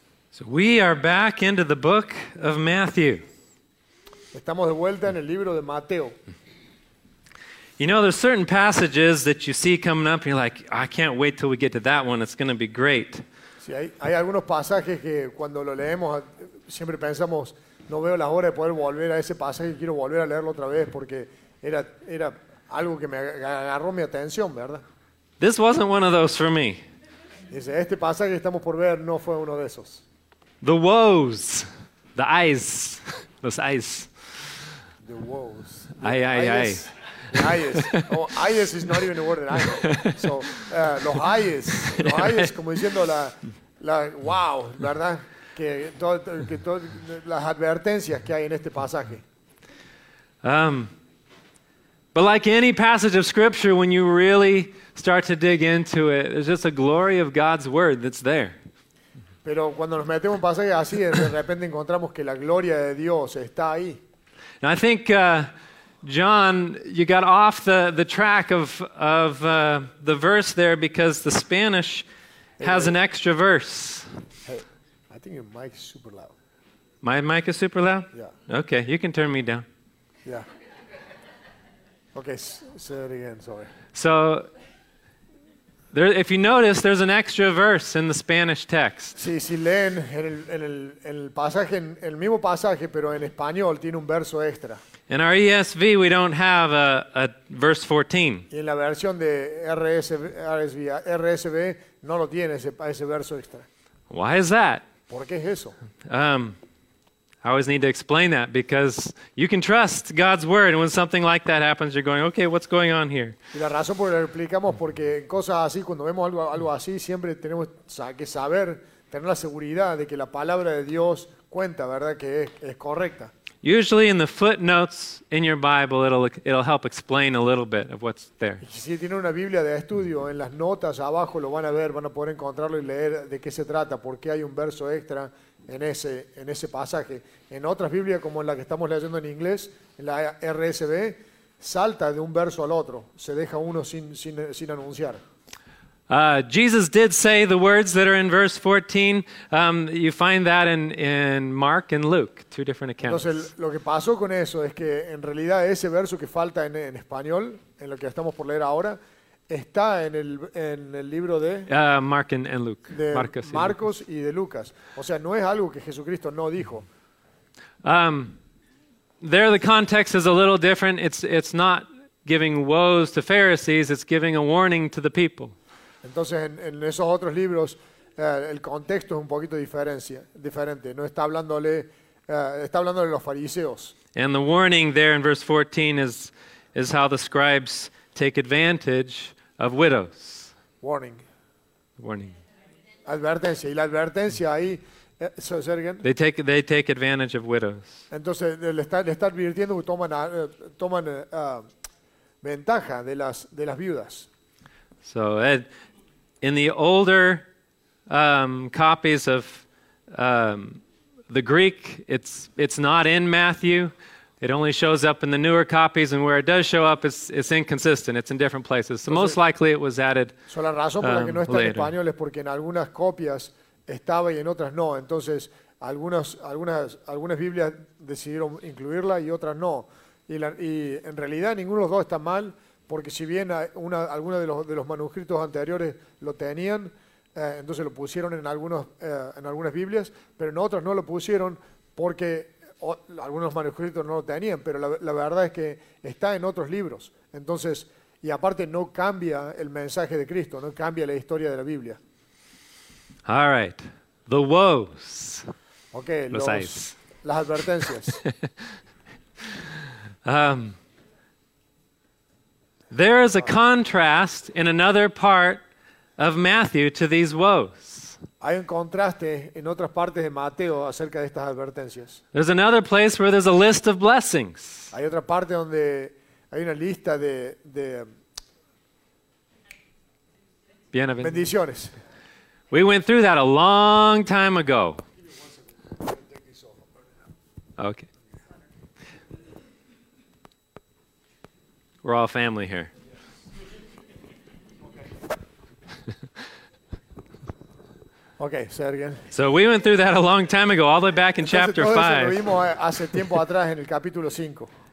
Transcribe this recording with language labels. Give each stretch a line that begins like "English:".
English: So we are back into the book of Matthew.
Spanish: Estamos de vuelta en el libro de Mateo.
English: You know, there's certain passages that you see coming up, and you're like, I can't wait till we get to that one. It's going to be great.
Spanish: Sí, hay algunos pasajes que cuando lo leemos siempre pensamos, no veo la hora de poder volver a ese pasaje y quiero volver a leerlo otra vez porque era algo que me agarró mi atención, ¿verdad?
English: This wasn't one of those for me.
Spanish: Dice, este pasaje que estamos por ver no fue uno de esos.
English: The woes, the eyes, those eyes. The woes.
Spanish: Ay, ay, ay.
English: Eyes. Oh, eyes is not even a word that I know.
Spanish: So, los eyes. Los eyes, como diciendo la wow, ¿verdad? Que todo, las advertencias que hay en este pasaje.
English: But like any passage of Scripture, when you really start to dig into it, there's just a glory of God's Word that's there.
Spanish: Pero cuando nos metemos en un pasaje así, de repente encontramos que la gloria de Dios está ahí.
English: And I think, John, you got off the track of the verse there because the Spanish has an extra verse. Hey, I think your mic is super loud. My mic is super loud? Yeah. Okay, you can turn me down. Yeah. Okay, say it again, sorry. So, there, if you notice, there's an extra verse in the Spanish text.
Spanish: Sí, si leen en el pasaje, en el mismo pasaje, pero en español, tiene un verso extra.
English: In our ESV, we don't have a verse 14.
Spanish: Y en la versión de RSV no lo tiene ese verso extra.
English: Why is that?
Spanish: ¿Por qué es eso?
English: I always need to explain that because you can trust God's word, and when something like that happens, you're going, "Okay, what's going on here?"
Spanish: Y la razón por la que explicamos porque en cosas así, cuando vemos algo así, siempre tenemos que saber, tener la seguridad de que la palabra de Dios cuenta, verdad, que es correcta.
English: Usually, in the footnotes in your Bible, it'll help explain a little bit of what's there.
Spanish: Si tiene una Biblia de estudio, en las notas abajo lo van a ver, van a poder encontrarlo y leer de qué se trata, por qué hay un verso extra. En ese pasaje, en otras Biblias como en la que estamos leyendo en inglés, en la RSV, salta de un verso al otro, se deja uno sin anunciar.
English: Jesus did say the words that are in verse 14. You find that in Mark and Luke, two different accounts.
Spanish: Entonces, lo que pasó con eso es que en realidad ese verso que falta en español, en lo que estamos por leer ahora, está en el libro de
English: Mark and Luke.
Spanish: De Marcos y de Lucas. O sea, no es algo que Jesucristo no dijo.
English: There the context is a little different. It's not giving woes to Pharisees, it's giving a warning to the people.
Spanish: Entonces en esos otros libros el contexto es un poquito diferente. No está hablándole está hablando de los fariseos.
English: And the warning there in verse 14 is how the scribes take advantage of widows. Warning.
Spanish: Advertencia. Y la advertencia ahí,
English: say again. They take advantage of widows.
Spanish: Entonces le está advirtiendo que toman ventaja de las viudas.
English: So in the older copies of the Greek, it's not in Matthew. It only shows up in the newer copies, and where it does show up, it's inconsistent. It's in different places. So most likely it was added later.
Spanish: So la razón por la que no está en español es porque en algunas copias estaba y en otras no. Entonces algunas Biblias decidieron incluirla y otras no. Y en realidad ninguno de los dos está mal, porque si bien alguna de los manuscritos anteriores lo tenían, entonces lo pusieron en algunas Biblias, pero en otras no lo pusieron porque algunos manuscritos no lo tenían, pero la verdad es que está en otros libros. Entonces, y aparte no cambia el mensaje de Cristo, no cambia la historia de la Biblia.
English: All right. The woes.
Spanish: Okay, los eyes. Las advertencias.
English: There is a contrast in another part of Matthew to these woes.
Spanish: Hay un contraste en otras partes de Mateo acerca de estas advertencias.
English: There's another place where there's a list of blessings.
Spanish: Hay otra parte donde hay una lista de bendiciones.
English: We went through that a long time ago. Okay. We're all family here. Okay. Okay, say it again. So we went through that a long time ago, all the way back in chapter 5.
Spanish: Lo vimos hace tiempo atrás en el capítulo 5.